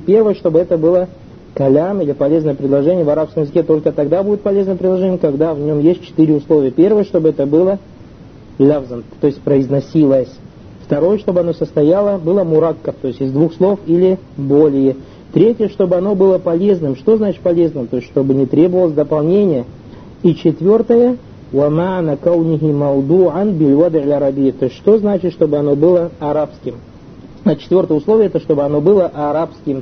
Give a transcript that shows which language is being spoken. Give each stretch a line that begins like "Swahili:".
Russian: Первое, чтобы это было калям или полезное предложение. В арабском языке только тогда будет полезное предложение, когда в нем есть четыре условия. Первое, чтобы это было лявзан, то есть произносилось. Второе, чтобы оно состояло, было мураккаб, то есть из двух слов или более. Третье, чтобы оно было полезным. Что значит полезным? То есть, чтобы не требовалось дополнения.
Arabic: И четвертое, وَمَعْنَ كَوْنِهِ مَوْدُوعًا بِالْوَدْعِ الْعَرَبِيِ.
Russian: То есть, что значит, чтобы оно было арабским? А четвертое условие, это чтобы оно было арабским.